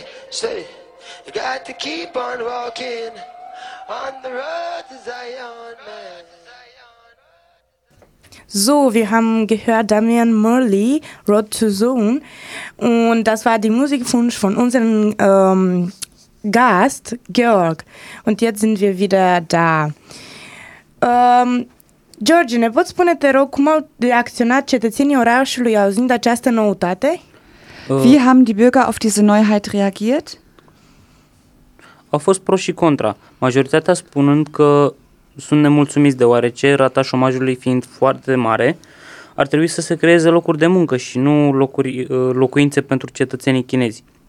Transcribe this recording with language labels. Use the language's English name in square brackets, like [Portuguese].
[English] Say, you got to keep on walking on the road to Zion, man. [German] So, wir haben gehört Damian Marley, Road to Zion. Und das war die Musikwunsch von unserem Gast, Georg. Und jetzt sind wir wieder da. [Romanian] George, ne poți spune, te rog, cum au reacționat cetățenii orașului auzind această noutate? [German] Wie haben die Bürger auf diese Neuheit reagiert? [Romanian] Au fost pro și contra, majoritatea spunând că sunt nemulțumiți deoarece rata șomajului fiind foarte mare, ar trebui să se creeze locuri de muncă și nu locuințe pentru cetățenii chinezi.